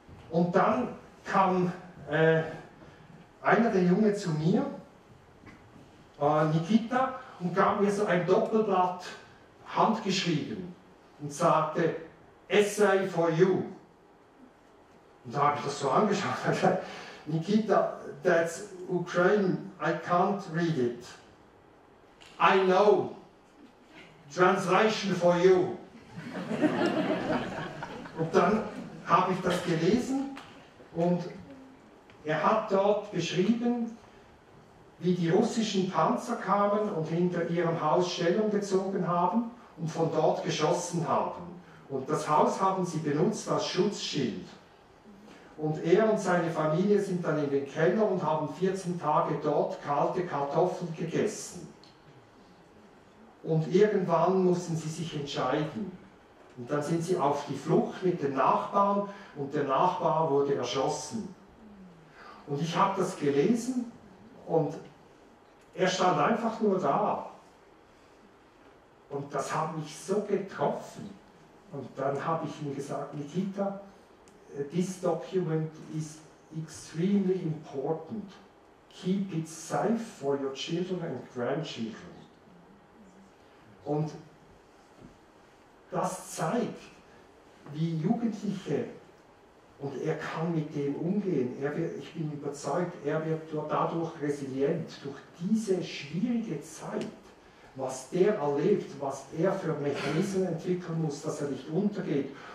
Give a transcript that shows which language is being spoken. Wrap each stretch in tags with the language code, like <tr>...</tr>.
<de>Und dann kam einer der Jungen zu mir, Nikita, und gab mir so ein Doppelblatt handgeschrieben und sagte,</de> <en>Essay for you.</en> <de>Und da habe ich das so angeschaut.</de> <en>Nikita, that's Ukraine, I can't read it. I know, translation for you.</en> <de>Und dann habe ich das gelesen und er hat dort beschrieben, wie die russischen Panzer kamen und hinter ihrem Haus Stellung gezogen haben und von dort geschossen haben. Und das Haus haben sie benutzt als Schutzschild. Und er und seine Familie sind dann in den Keller und haben 14 Tage dort kalte Kartoffeln gegessen. Und irgendwann mussten sie sich entscheiden. Und dann sind sie auf die Flucht mit den Nachbarn und der Nachbar wurde erschossen. Und ich habe das gelesen und er stand einfach nur da. Und das hat mich so getroffen. Und dann habe ich ihm gesagt, Nikita,</de> <en>this document is extremely important. Keep it safe for your children and grandchildren.</en> <de>Und das zeigt, wie Jugendliche, und er kann mit dem umgehen, ich bin überzeugt, er wird dadurch resilient, durch diese schwierige Zeit, was der erlebt, was er für Mechanismen entwickeln muss, dass er nicht untergeht.</de>